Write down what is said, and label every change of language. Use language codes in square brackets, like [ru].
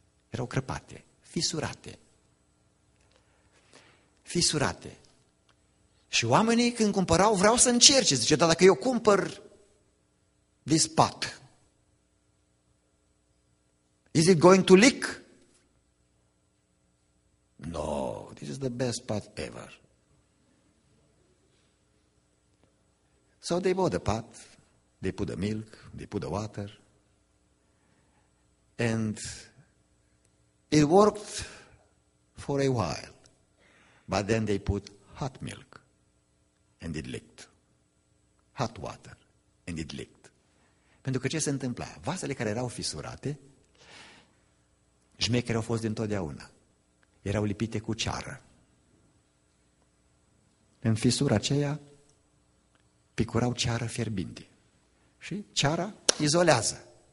[ro] Erau crăpate, fisurate. Fisurate. Și oamenii când cumpărau, vreau să încerce, zice, dar dacă eu cumpăr [en] this pot, is it going to leak? No, this is the best pot ever. So they bought the pot, they put the milk, they put the water, and it worked for a while. But then they put hot milk and it leaked. Hot water and it leaked. [ro] Pentru că ce se întâmpla? Vasele care erau fisurate, șmechere au fost dintotdeauna. Erau lipite cu ceară. În fisura aceea picurau ceară fierbinte. Și ceara izolează.